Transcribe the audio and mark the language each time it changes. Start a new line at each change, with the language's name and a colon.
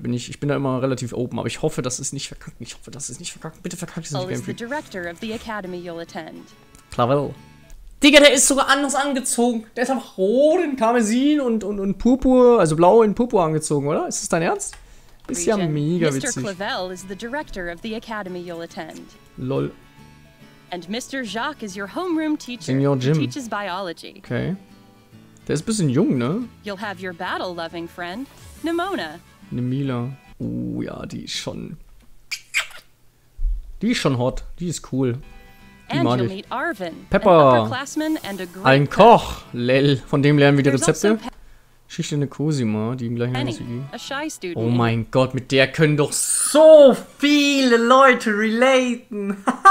German: Ich bin da immer relativ open, aber ich hoffe, das ist nicht verkackt. Ich hoffe, das ist nicht verkackt. Bitte verkackt es nicht,
English: Gameplay. Clavel.
German: Digga, der ist sogar anders angezogen. Der ist einfach rot in Karmesin und Purpur, also blau in Purpur angezogen, oder? Ist das dein Ernst? Ist ja mega witzig.
English: Mr. Clavel is the director of the academy you'll attend. Lol. And Mr. Jacques is your homeroom teacher. In your gym. Teaches biology.
German: Okay. Der ist ein bisschen jung, ne?
English: You'll have your battle-loving friend, Nimona.
German: Eine Mila. Ja, die ist schon hot. Die ist cool.
English: And you'll meet Arvin,
German: Pepper, ein Koch, Lel, von dem lernen wir die Rezepte. Schüchterne Cosima, die im gleichen Haus ist. Oh mein Gott, mit der können doch so viele Leute relaten.